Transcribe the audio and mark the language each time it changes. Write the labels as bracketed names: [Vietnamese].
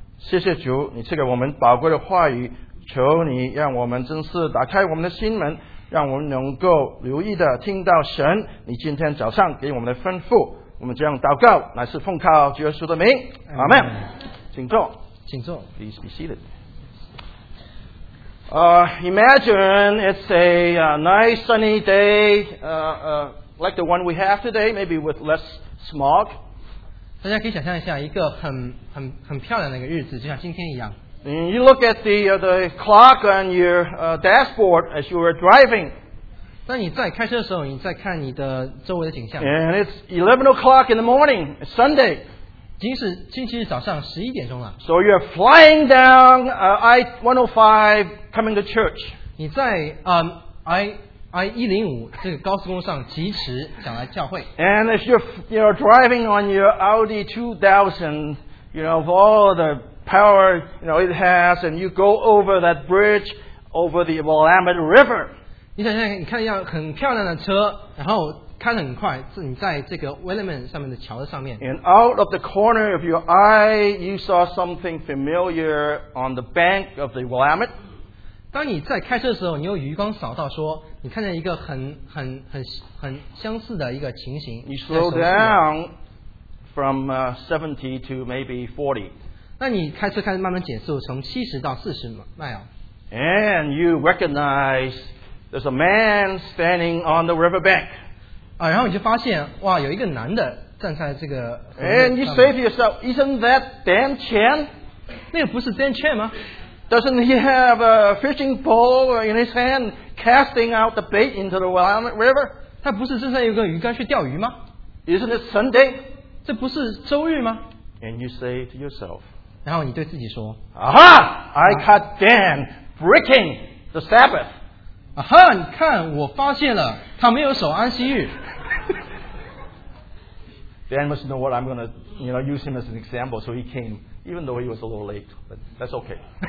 [Chinese] 谢谢主，你赐给我们宝贵的话语。求你让我们真是打开我们的心门，让我们能够留意的听到神你今天早上给我们的吩咐。我们这样祷告乃是奉靠主耶稣的名，阿门。请坐，请坐。 [English] Please be seated. Imagine it's a nice sunny day like the one we have today, maybe with less smog. [Chinese] 大家可以想象一下一个很漂亮的一个日子，就像今天一样。 [English] And you look at the clock on your dashboard as you were driving. [Chinese] 当你在开车的时候，你在看你的周围的景象。 [English] And it's 11 o'clock in the morning, Sunday. [Chinese] 已经是星期日早上十一点钟了。 [English] So you're flying down I-105 coming to church. [Chinese] 你在I-105这个高速公路上疾驰想来教会。 [English] And if you're driving on your Audi 2000, you know, of all the power, you know, it has, and you go over that bridge over the Willamette River. [Chinese] 你想想，你看一辆很漂亮的车，然后开得很快，是你在这个 Willamette 上面的桥上面。 [English] And out of the corner of your eye, you saw something familiar on the bank of the Willamette. [Chinese] 当你在开车的时候，你用余光扫到说，你看见一个很相似的一个情形。 [English] You slow down from 70 to maybe 40. [Chinese] 那你开车开始慢慢减速，从七十到四十迈哦。 [English] And you recognize there's a man standing on the river bank. [Chinese] 啊，然后你就发现，哇，有一个男的站在这个。 [English] And you say to yourself, isn't that Dan Chen? [Chinese] 那个不是 Dan Chen 吗 [English] ？Doesn't he have a fishing pole in his hand, casting out the bait into the Willamette River? [Chinese] 他不是身上有个鱼竿去钓鱼吗 [English] ？Isn't it Sunday? [Chinese] 这不是周日吗 [English] ？And you say to yourself. [Chinese] 然后你对自己说 [English] Aha! I caught Dan breaking the Sabbath. Aha! [Chinese] 你看我发现了他没有守安息日。 [English] Dan must know what I'm going to, you know, use him as an example, so he came even though he was a little late, but that's okay.